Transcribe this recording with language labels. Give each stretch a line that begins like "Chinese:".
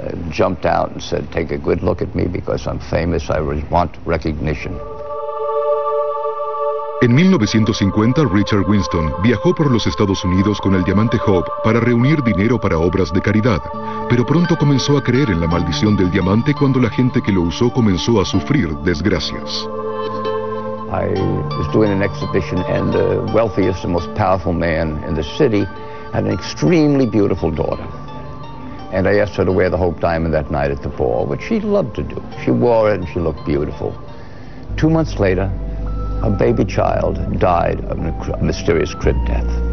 English: Jumped out and said, "Take a good look at me because I'm famous. I want recognition."
Spanish: En 1950, Richard Winston viajó por los Estados Unidos con el diamante Hope para reunir dinero para obras de caridad, pero pronto comenzó a creer en la maldición del diamante cuando la gente que lo usó comenzó a sufrir desgracias.
English: I was doing an exhibition and the wealthiest and most powerful man in the city had an extremely beautiful daughter. And I asked her to wear the Hope diamond that night at the ball, which she loved to do. She wore it and she looked beautiful. 2 months later, a baby child died of a mysterious crib death.